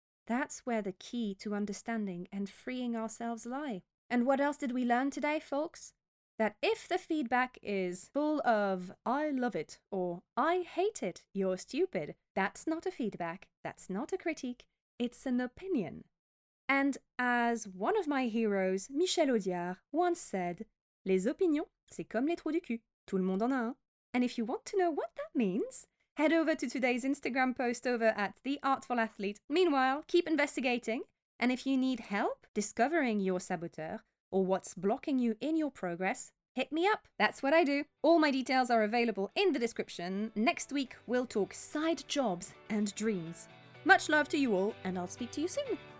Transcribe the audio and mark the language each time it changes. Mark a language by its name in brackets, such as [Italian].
[English] That's where the key to understanding and freeing ourselves lie. And what else did we learn today, folks? That if the feedback is full of, I love it, or I hate it, you're stupid, that's not a feedback, that's not a critique, it's an opinion. And as one of my heroes, Michel Audiard, once said, [French] les opinions, c'est comme les trous du cul, tout le monde en a un. [English] And if you want to know what that means, head over to today's Instagram post over at The Artful Athlete. Meanwhile, keep investigating, and if you need help discovering your saboteur, or what's blocking you in your progress, hit me up. That's what I do. All my details are available in the description. Next week, we'll talk side jobs and dreams. Much love to you all, and I'll speak to you soon.